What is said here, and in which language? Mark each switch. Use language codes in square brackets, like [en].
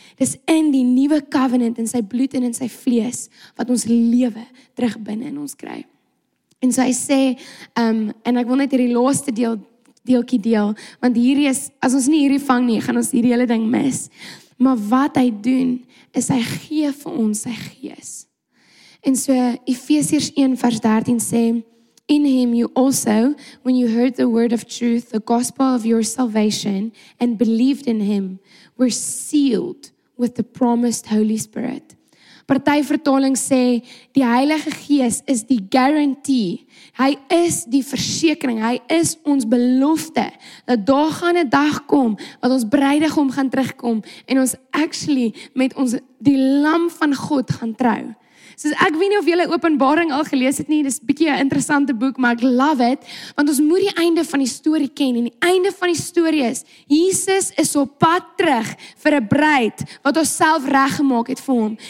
[af] Dis in die nuwe covenant, in sy bloed en in sy vlees, wat ons lewe terug binne in ons kry. En so hy sê, en ek wil net hierdie laaste deelkie deel, want hierdie is, as ons nie hierdie vang nie, gaan ons hierdie hele ding mis. Maar wat hy doen, is hy gee vir ons sy gees. En so, Efesiërs 1 vers 13 sê, [en] "In him you also, when you heard the word of truth, the gospel of your salvation, and believed in him, were sealed with the promised Holy Spirit." [af] Party vertaling sê, die Heilige Gees is die guarantee. Hy is die versekering, hy is ons belofte, dat daar gaan 'n dag kom, wat ons bruidegom gaan terugkom, en ons actually met ons die Lam van God gaan trou. So ek weet nie of julle Openbaring al gelees het nie, dis bietjie 'n interessante boek, maar ek love it, want ons moet die einde van die storie ken, en die einde van die storie is, Jesus is op pad terug vir 'n bruid, wat ons self reggemaak het vir hom.